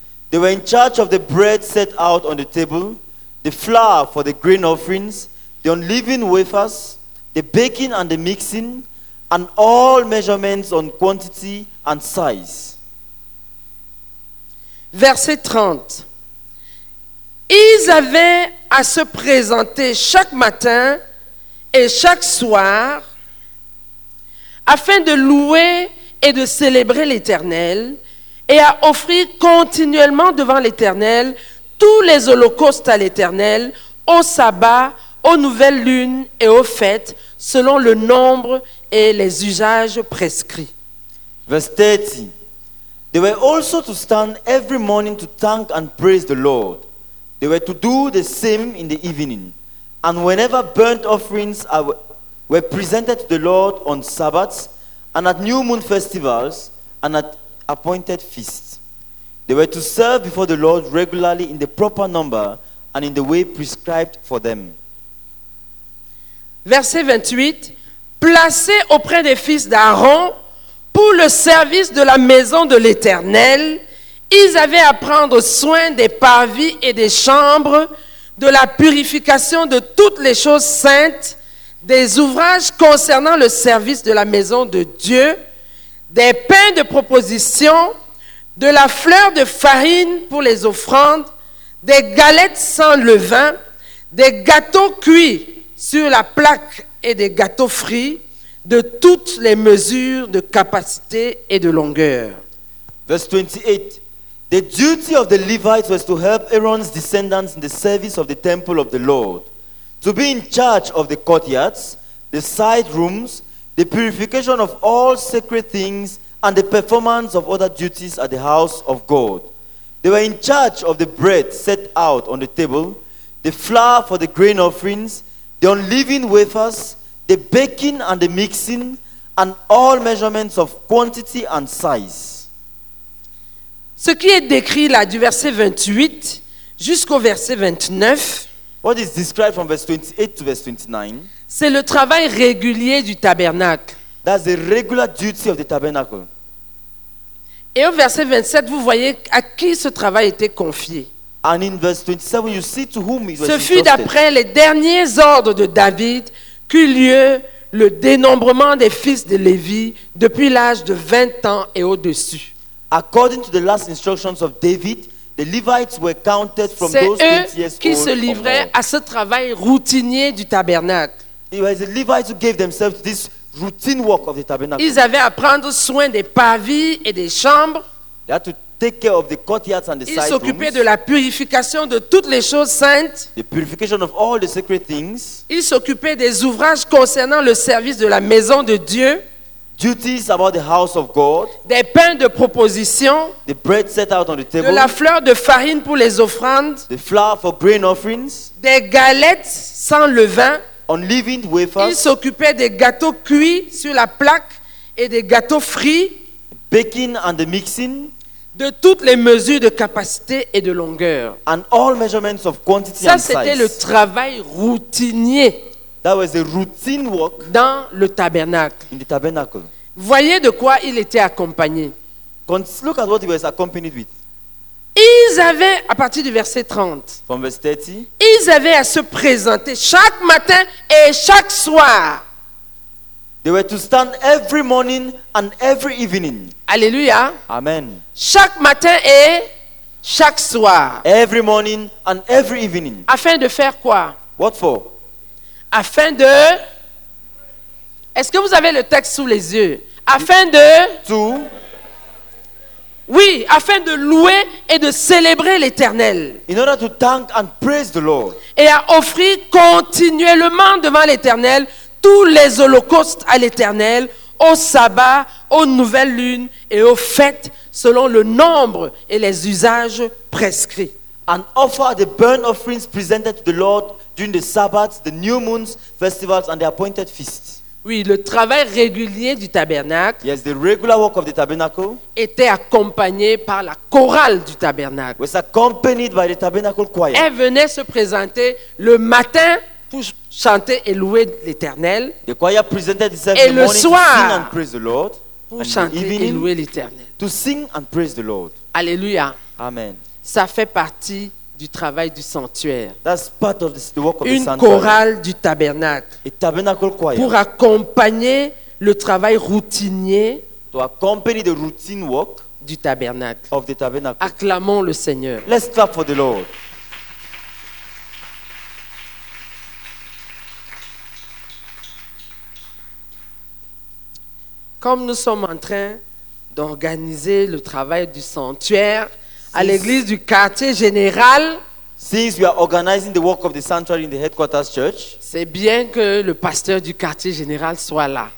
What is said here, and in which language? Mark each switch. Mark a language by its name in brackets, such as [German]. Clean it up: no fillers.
[English] They were in charge of the bread set out on the table, the flour for the grain offerings, the unleavened wafers, the baking and the mixing, and all measurements on quantity and size. [French] Verset 30. Ils avaient à se présenter chaque matin et chaque soir afin de louer et de célébrer l'Éternel et à offrir continuellement devant l'Éternel tous les holocaustes à l'Éternel au sabbat, aux nouvelles lunes et aux fêtes, selon le nombre et les usages prescrits. [English] Verse 30. They were also to stand every morning to thank and praise the Lord. They were to do the same in the evening. And whenever burnt offerings were presented to the Lord on Sabbaths and at new moon festivals and at appointed feasts, they were to serve before the Lord regularly in the proper number and in the way prescribed for them. [French] Verset 28, placés auprès des fils d'Aaron pour le service de la maison de l'Éternel, ils avaient à prendre soin des parvis et des chambres, de la purification de toutes les choses saintes, des ouvrages concernant le service de la maison de Dieu, des pains de proposition, de la fleur de farine pour les offrandes, des galettes sans levain, des gâteaux cuits sur la plaque et des gâteaux frits, de toutes les mesures de capacité et de longueur. [English] Verse 28. The duty of the Levites was to help Aaron's descendants in the service of the temple of the Lord, to be in charge of the courtyards, the side rooms, the purification of all sacred things, and the performance of other duties at the house of God. They were in charge of the bread set out on the table, the flour for the grain offerings, the unleavened wafers, the baking and the mixing, and all measurements of quantity and size. [French] Ce qui est décrit là du verset 28 jusqu'au verset 29, [English] what is described from verse 28 to verse 29, [French] c'est le travail régulier du tabernacle. [English] That's the regular duty of the tabernacle. [French] Et au verset 27, vous voyez à qui ce travail était confié. [English] And in verse 27, you see to whom it was [French] ce fut [English] entrusted. [French] D'après les derniers ordres de David qu'eut lieu le dénombrement des fils de Lévi depuis l'âge de 20 ans et au-dessus. [English] According to the last instructions of David, the Levites were counted from [French] c'est [English] those 20 years [French] qui se livraient à ce travail routinier du tabernacle. [English] It was the Levites who gave themselves to this routine work of the tabernacle. [French] Ils avaient à prendre soin des pavis et des chambres. [English] They had to take care of the courtyards and the [French] ils [English] side [French] s'occupaient [English] rooms. [French] De la purification de toutes les choses saintes. [English] The purification of all the sacred things. [French] Ils s'occupaient des ouvrages concernant le service de la maison de Dieu. [English] Duties about the house of God, [French] des pains de proposition, [English] the bread set out on the table, [French] de la fleur de farine pour les offrandes, [English] the flour for grain offerings, [French] des galettes sans levain, [English] unleavened wafers, [French] ils s'occupaient des gâteaux cuits sur la plaque et des gâteaux frits, [English] baking and the mixing, [French] de toutes les mesures de capacité et de longueur, [English] and all measurements of quantity [French] ça, [English] and size. [French] Ça c'était le travail routinier. [English] That was a routine work [French] dans le tabernacle. [English] In the tabernacle. [French] Voyez de quoi il était accompagné. [English] Look at what he was accompanied with. [French] Ils avaient, à partir du verset 30, [English] from verse 30, [French] ils avaient à se présenter chaque matin et chaque soir. [English] They were to stand every morning and every evening. [French] Alléluia. [English] Amen. [French] Chaque matin et chaque soir. [English] Every morning and every evening. [French] Afin de faire quoi? [English] What for? [French] Afin de... Est-ce que vous avez le texte sous les yeux? Afin de... [English] To... [French] Oui, afin de louer et de célébrer l'Éternel. [English] In order to thank and praise the Lord. [French] Et à offrir continuellement devant l'Éternel tous les holocaustes à l'Éternel, au sabbat, aux nouvelles lunes et aux fêtes, selon le nombre et les usages prescrits. [English] And offer the burnt offerings presented to the Lord during the Sabbaths, the new moons, festivals, and the appointed feasts. [French] Oui, le travail régulier du tabernacle. [English] Yes, the regular work of the tabernacle. [French] Était accompagné par la chorale du tabernacle. [English] Was accompanied by the tabernacle choir. [French] Elle venait se présenter le matin pour chanter et louer l'Éternel. [English] The choir presented itself [French] et [English] in the morning [French] soir, [English] to sing and praise the Lord. [French] Pour chanter et louer l'Éternel. [English] To sing and praise the Lord. [French] Alléluia. [English] Amen. [French] Ça fait partie du travail du sanctuaire. [English] That's part of the work of [French] une [English] the [French] chorale du tabernacle. [English] A tabernacle choir. [French] Pour accompagner le travail routinier. [English] To accompany the routine work [French] du tabernacle. [English] Of the tabernacle. [French] Acclamons le Seigneur. [English] Let's clap for the Lord. [French] Comme nous sommes en train d'organiser le travail du sanctuaire. À l'église du quartier général. [English] Since we are organizing the work of the sanctuary in the headquarters church, [French] c'est bien que le pasteur du quartier général soit là.